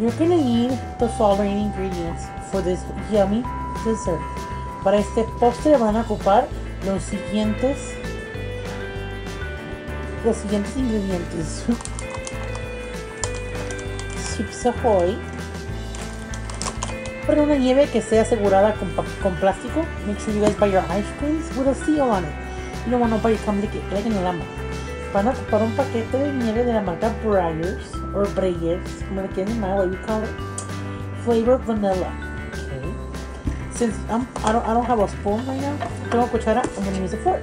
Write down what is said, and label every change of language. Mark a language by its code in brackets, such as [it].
[en] You're gonna need the following ingredients for this yummy dessert. [es] Para este postre van a ocupar los siguientes ingredientes. [en] Chips Ahoy. [es] Pero una nieve que sea asegurada con plástico. [en] Make sure you guys buy your ice creams with a seal on it. You don't want nobody to come to get in the lamp. [es] Van a ocupar un paquete de nieve de la marca Breyers, or Breyers, como le quieren llamar, [en] what you call it. Flavor vanilla. Okay. Since I don't have a spoon right now, [es] tengo cuchara, [en] I'm going to use a fork.